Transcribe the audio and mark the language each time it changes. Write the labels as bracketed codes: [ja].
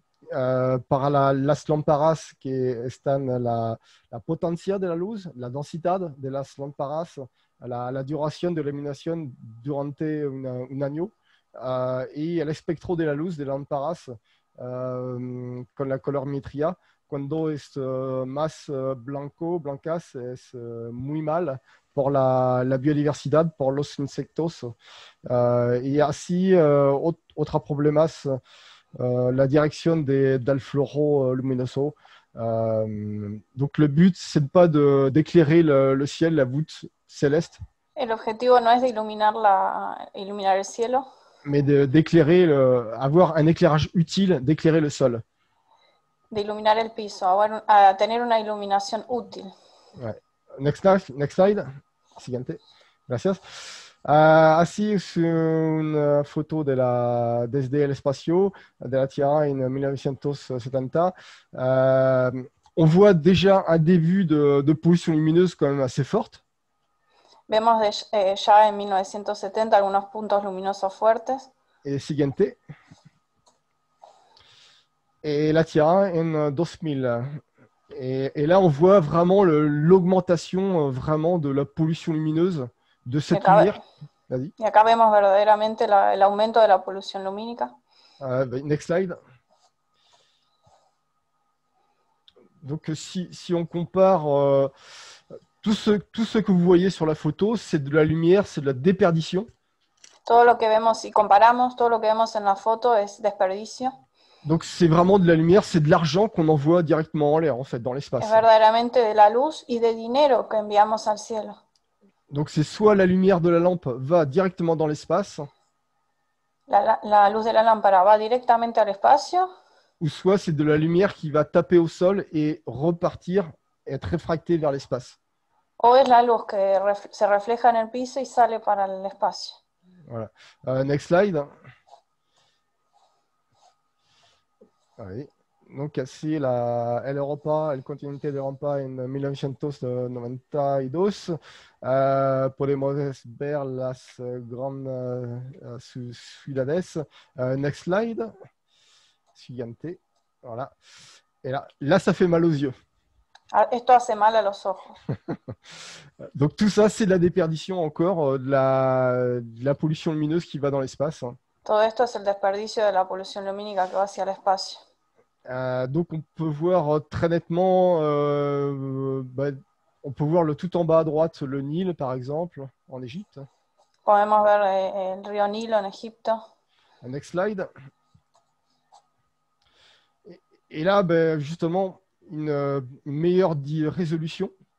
[es] para las lámparas que están la potencia de la luz, la densidad de las lámparas, la duración de la iluminación durante un año y el espectro de la luz de las lámparas con la colorimetría, cuando es más blanco, blancas, es muy mal por la biodiversidad, por los insectos. Y así, otro problema es la direction del fluoro luminoso. [fr] Donc le but, ce n'est pas d'éclairer le ciel, la voûte céleste. Et l'objectif, non, est d'illuminer le ciel. Mais d'éclairer, avoir un éclairage utile, d'éclairer le sol. [es] de iluminar el piso, a tener una iluminación útil. [en] Right. Next slide. [es] Siguiente. Gracias. Así es una foto de la, desde el espacio de la Tierra en 1970. [fr] On voit déjà un début de pollution lumineuse quand même assez forte. [es] Vemos de, ya en 1970 algunos puntos luminosos fuertes. Et siguiente. Et la Tierra en 2000. [fr] Et là, on voit vraiment le, l'augmentation vraiment de la pollution lumineuse de cette [es] acá, [fr] lumière. Vas-y. [es] Y acá vemos verdaderamente la, el aumento de la pollution lumínica. [en] Next slide. [fr] Donc, si on compare tout ce que vous voyez sur la photo, c'est de la lumière, c'est de la déperdition. [es] Todo lo que vemos, si comparamos, todo lo que vemos en la foto es desperdicio. [fr] Donc, c'est vraiment de la lumière, c'est de l'argent qu'on envoie directement en l'air, en fait, dans l'espace. [es] Es verdaderamente de la luz y de dinero que enviamos al cielo. [fr] Donc, c'est soit la lumière de la lampe va directement dans l'espace. [es] La luz de la lámpara va directamente al espacio. [fr] Ou soit c'est de la lumière qui va taper au sol et repartir, être réfractée vers l'espace. [es] O es la luz que se refleja en el piso y sale para el espacio. [en] Voilà. Next slide. [fr] Oui. Donc, ici, [es] la El Europa, El Continente de Europa en 1992. Podemos ver las grandes ciudades. [en] Next slide. [es] Siguiente. [en] Voilà. [fr] Et là, ça fait mal aux yeux. [es] Esto hace mal a los ojos. [fr] Donc, tout ça, c'est de la déperdition encore, de la pollution lumineuse qui va dans l'espace. [es] Todo esto es el desperdicio de la pollution lumínica que va hacia el espacio. [fr] Donc, on peut voir très nettement, on peut voir le tout en bas à droite, le Nil, par exemple, en Égypte. [es] Podemos ver el río Nilo en Egipto. [en] Next slide. [fr] Et là, justement, une meilleure résolution.